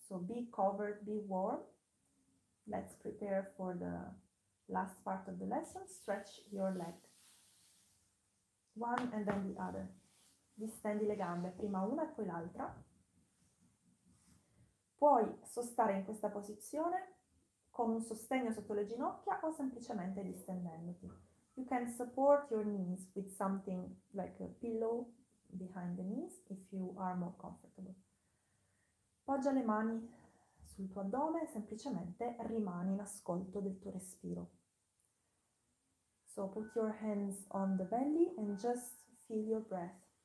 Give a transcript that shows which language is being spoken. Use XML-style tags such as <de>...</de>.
<en>So be covered, be warm. Let's prepare for the last part of the lesson. Stretch your leg. One and then the other.</en> <it>Distendi le gambe, prima una e poi l'altra. Puoi sostare in questa posizione con un sostegno sotto le ginocchia o semplicemente distendendoti.</it> <en>You can support your knees with something like a pillow behind the knees, if you are more comfortable.</en> <it>Poggia le mani sul tuo addome e semplicemente rimani in ascolto del tuo respiro.</it> <en>So put your hands on the belly and just feel your breath.</en>